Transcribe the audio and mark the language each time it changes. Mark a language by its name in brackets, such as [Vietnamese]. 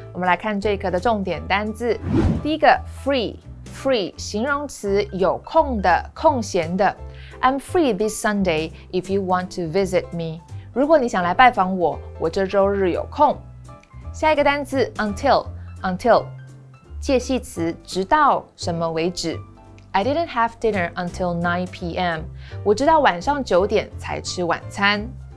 [Chinese] 我们来看这一课的重点单字。第一个 free， 形容词，有空的，空闲的。 [English] I'm free this Sunday if you want to visit me. [Chinese] 如果你想来拜访我，我这周日有空。下一个单字 until 介系词，直到什么为止。 [English] I didn't have dinner until 9 p.m. [Chinese] 我直到晚上九点才吃晚餐。